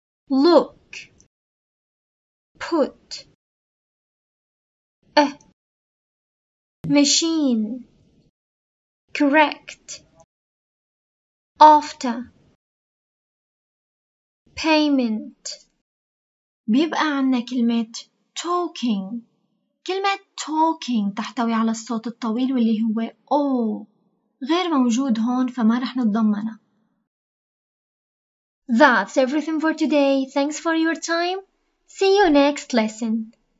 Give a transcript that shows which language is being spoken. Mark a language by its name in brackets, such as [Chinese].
[English] Look, put, machine, correct, after, payment. [Arabic] بيبقى عنا كلمة talking. كلمة talking تحتوي على الصوت الطويل واللي هو O. غير موجود هون فما رح نتضمنه. [English] That's everything for today. Thanks for your time. See you next lesson.